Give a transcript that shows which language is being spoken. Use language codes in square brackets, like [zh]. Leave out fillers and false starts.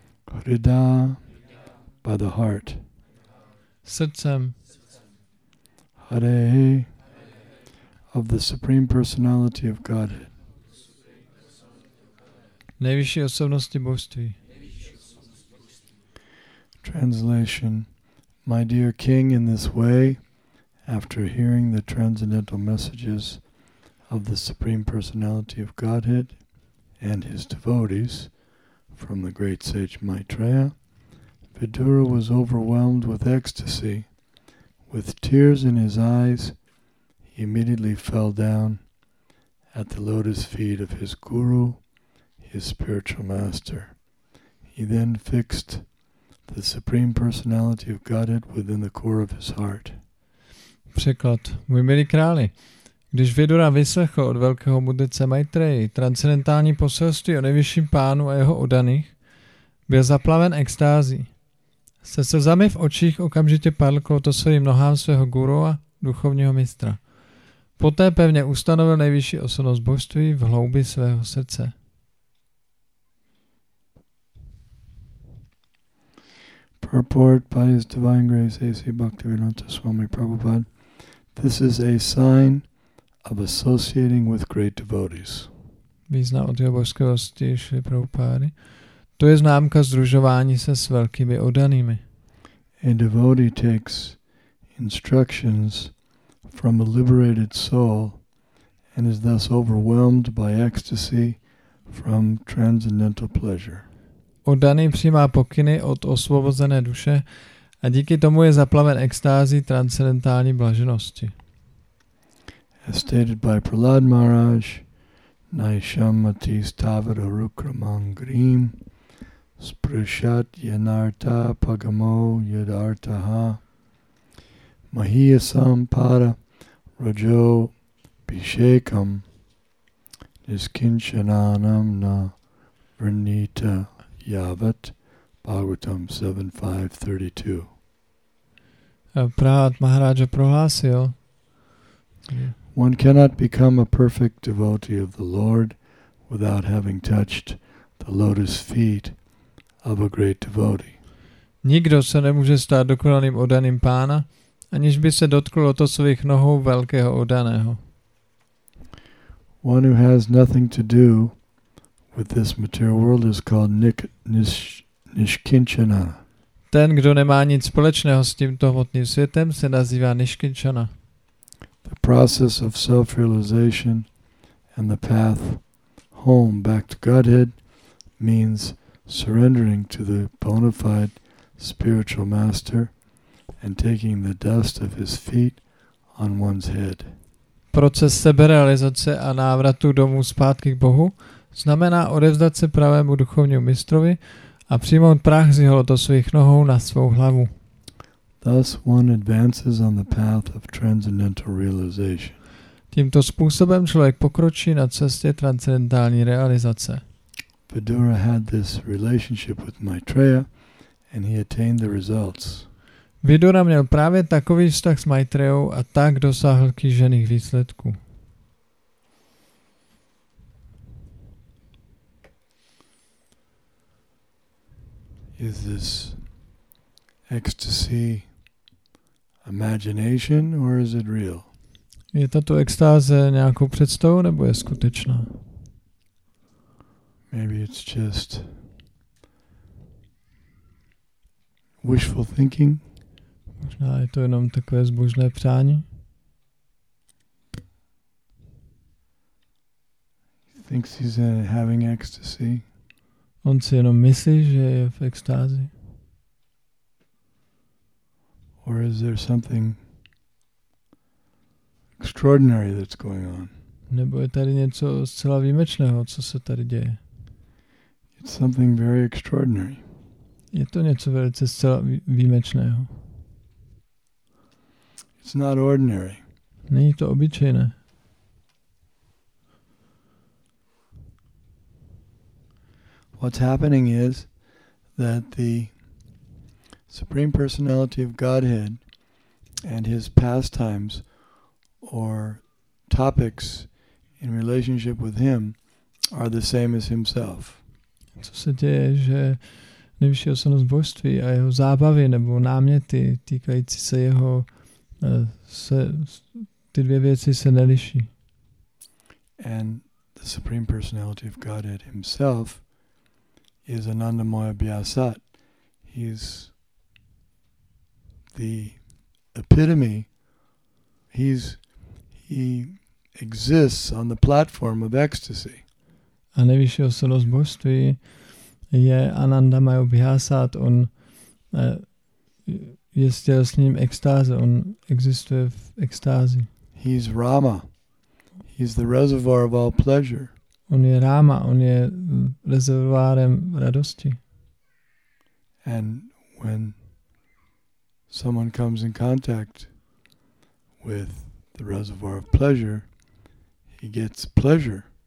[en] Hrida. By the heart. [cs] Srdcem. [en] Hare. Of the Supreme Personality of Godhead. [cs] Nejvyšší osobnosti božství. [en] Translation. My dear King, in this way, after hearing the transcendental messages of the Supreme Personality of Godhead and his devotees from the great sage Maitreya, Vidura was overwhelmed with ecstasy. With tears in his eyes, he immediately fell down at the lotus feet of his guru, his spiritual master. He then fixed the Supreme Personality of Godhead within the core of his heart. [cs] Překlad. Můj milý králi, když Vidura vyslechl od velkého mudrce Maitreji transcendentální poselství o nejvyšším pánu a jeho udaných, byl zaplaven extází. Se slzami v očích okamžitě padl k lotosovým nohám svého guru a duchovního mistra. Poté pevně ustanovil nejvyšší osobnost božství v hloubi svého srdce. [en] Purport by His Divine Grace A.C. Bhaktivedanta Swami Prabhupada. This is a sign of associating with great devotees. [cs] Význam od jeho božskosti Šri Prabhupády. To je známka združování se s velkými oddanými. [en] A devotee takes instructions from a liberated soul and is thus overwhelmed by ecstasy from transcendental pleasure. [cs] Oddaný přijímá pokyny od osvobozené duše a díky tomu je zaplaven extází transcendentální blaženosti. [sa] As stated by Prahlad Maharaj, Naisham mati stavara rukramam grim, spruśat yanarta pagamo yadartaha, mahiyasam para rajo bishekam, niskinshananam na vrnita. Yavat, Bhagavatam 7.5.32. [cs] Prahlad Maharaja prohlásil. [en] One cannot become a perfect devotee of the Lord without having touched the lotus feet of a great devotee. [cs] Nikdo se nemůže stát dokonalým oddaným pána, aniž by se dotkl lotosových nohou velkého oddaného. [en] One who has nothing to do with this material world is called Niskinchana. [cs] Ten, kdo nemá nic společného s tímto hmotným světem, se nazývá Niskinchana. [en] The process of self-realization and the path home back to Godhead means surrendering to the bona fide spiritual master and taking the dust of his feet on one's head. [cs] Proces seberealizace a návratu domů zpátky k Bohu znamená odevzdat se pravému duchovnímu mistrovi a přijmout prach z jeho lotosových nohou na svou hlavu. [en] Thus one advances on the path of transcendental realization. [cs] Tímto způsobem člověk pokročí na cestě transcendentální realizace. [en] Vidura had this relationship with Maitreya and he attained the results. [cs] Vidura měl právě takový vztah s Maitrejou a tak dosáhl kýžených výsledků. [en] Is this ecstasy imagination or is it real? [cs] Je tato extáze nějakou představou nebo je skutečná? [en] Maybe it's just wishful thinking. [cs] Možná je to jenom takové zbožné přání. [en] Thinks he's having ecstasy. [cs] On si jenom myslí, že je v extázi. [en] Or is there something extraordinary that's going on? [cs] Nebo je tady něco zcela výjimečného, co se tady děje? [en] It's something very extraordinary. [cs] Je to něco velice zcela výjimečného. [en] It's not ordinary. [cs] Není to obyčejné. [en] What's happening is that the Supreme Personality of Godhead and his pastimes or topics in relationship with him are the same as himself. [cs] Co se děje, že nejvyšší osobnost božství a jeho zábavy nebo náměty týkající se jeho se ty dvě věci se neliší. [en] And the Supreme Personality of Godhead himself is Anandamaya Vyasat. He's the epitome. He exists on the platform of ecstasy. [cs] A nejvyšší osobnost božství je Anandamaya Vyasat. On je stělesněním extáze. On existuje v extázi. [en] He's Rama. He's the reservoir of all pleasure. [cs] On je Rama, on je rezervoárem radosti. [en] And when someone comes in contact with the reservoir of pleasure, he gets pleasure.